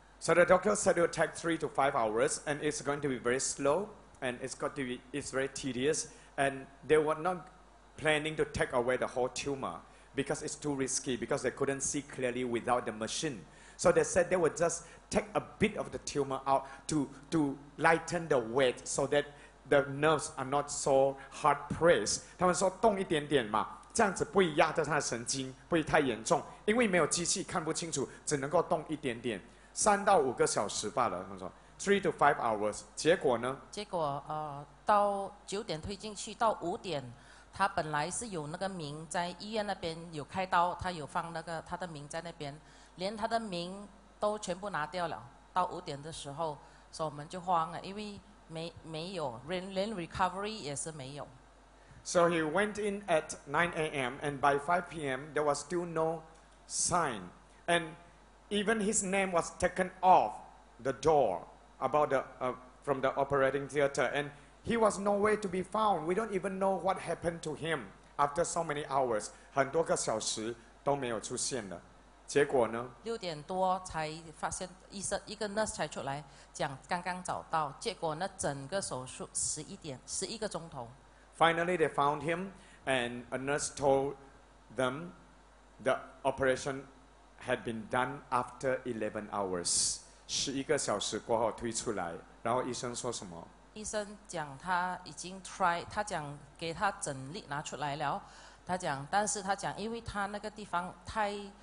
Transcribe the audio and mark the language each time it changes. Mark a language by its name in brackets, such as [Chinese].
[English] So the doctor said it will take 3 to 5 hours, and it's going to be very slow, and it's very tedious, and they were not planning to take away the whole tumor because it's too risky, because they couldn't see clearly without the machine. So they said they would just take a bit of the tumor out to lighten the weight so that. The nerves are not so hard pressed. [Chinese] 他们说动一点点嘛，这样子不会压着他的神经，不会太严重。因为没有机器看不清楚，只能够动一点点，3到5个小时罢了。他们说 [English] 3 to 5 hours. [Chinese] 结果呢？结果到9点推进去，到5点，他本来是有那个名在医院那边有开刀，他有放那个他的名在那边，连他的名都全部拿掉了。到5点的时候，所以我们就慌了，因为。没有 连 recovery 也是没有。 [English] So he went in at 9 a.m. and by 5 p.m. there was still no sign, and even his name was taken off the door about the from the operating theater, and he was nowhere to be found. We don't even know what happened to him after so many hours. [Chinese] 很多个小时都没有出现了。结果呢？六点多才发现，医生一个 nurse 才出来讲刚刚找到。结果呢，整个手术11点11个钟头。 [English] Finally, they found him, and a nurse told them the operation had been done after 11 hours. [Chinese] 11个小时过后推出来，然后医生说什么？医生讲他已经 try， 他讲给他整粒拿出来了。他讲，但是他讲，因为他那个地方太。